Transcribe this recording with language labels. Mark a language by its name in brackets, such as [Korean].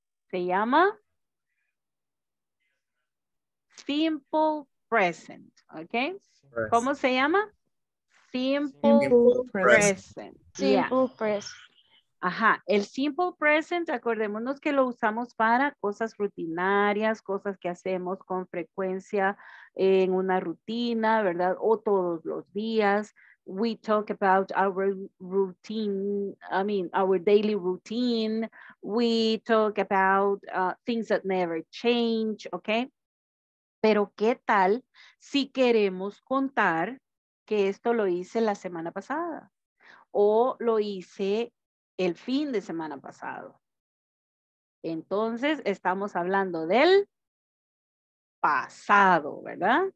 [Spanish] Se llama simple present. ¿Ok? ¿Cómo se llama? [English] Simple present. Simple present. [Spanish] Ajá. El simple present, acordémonos que lo usamos para cosas rutinarias, cosas que hacemos con frecuencia en una rutina, ¿verdad? O todos los días. [English] We talk about our routine, our daily routine. We talk about things that never change, ¿ok? [Spanish] Pero ¿qué tal si queremos contar que esto lo hice la semana pasada o lo hice el fin de semana pasado? Entonces estamos hablando del pasado, ¿verdad?